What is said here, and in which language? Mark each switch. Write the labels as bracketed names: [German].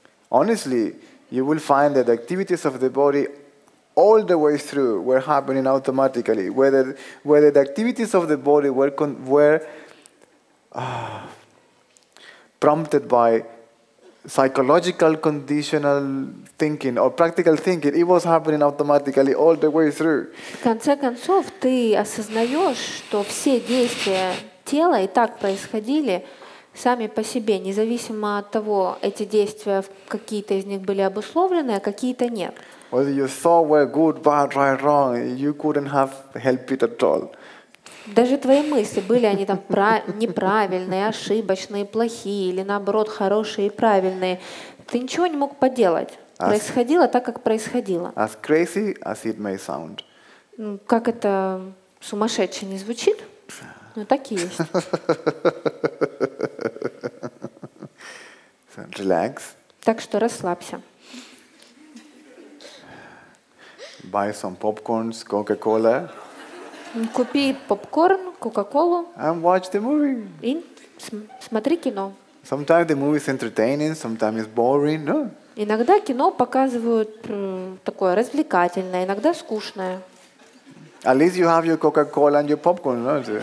[English] Honestly, you will find that the activities of the body all the way through were happening automatically. Whether the activities of the body were prompted by psychological conditional thinking or practical thinking, it was happening automatically all the way through. [Russian] В конце концов, ты осознаешь, что все действия тело и так происходили сами по себе, независимо от того, эти действия, какие-то из них были обусловлены, а какие-то нет. [English] Whether your thoughts were good, bad, right, wrong, you couldn't have helped it at all. [Russian] Даже твои мысли, были они там неправильные, ошибочные, плохие, или наоборот, хорошие и правильные, ты ничего не мог поделать. Происходило так, как происходило. [English] As crazy as it may sound. [Russian] Как это сумасшедше не звучит? Ну так и есть. [English] So, relax. [Russian] Так что расслабься. [English] Buy some popcorns, Coca-Cola. [Russian] Купи попкорн, Coca-Cola. [English] And watch the movie. [Russian] И смотри кино. [English] Sometimes the movie is entertaining, sometimes it's boring, no? [Russian] Иногда кино показывают такое развлекательное, иногда скучное. [English] At least you have your Coca-Cola and your popcorn, no?